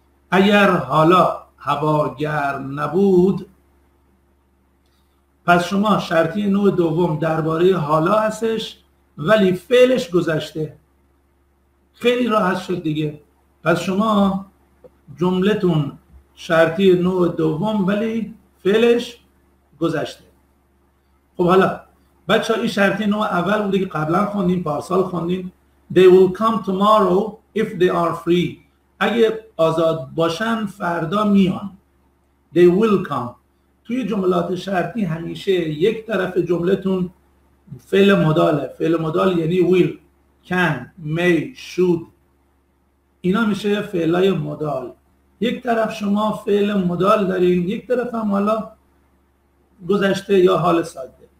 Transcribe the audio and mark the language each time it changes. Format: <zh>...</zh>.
<fa>اگر حالا هوا گرم نبود، پس شما شرطی نوع دوم درباره حالا هستش ولی فعلش گذشته. خیلی راحت شد دیگه. پس شما جملتون شرطی نوع دوم ولی فعلش گذشته. خب حالا بچه ها این شرطی نوع اول بوده که قبلا خوندیم، پارسال خوندیم.</fa> <en>They will come tomorrow if they are free.</en> <fa>اگه آزاد باشن فردا میان.</fa> <en>They will come.</en> <fa>توی جملات شرطی همیشه یک طرف جملتون فعل مداله. فعل مدال یعنی will، can، may، should. اینا میشه فعلای مدال. یک طرف شما فعل مدال دارین، یک طرف هم حالا گذشته یا حال ساده.</fa>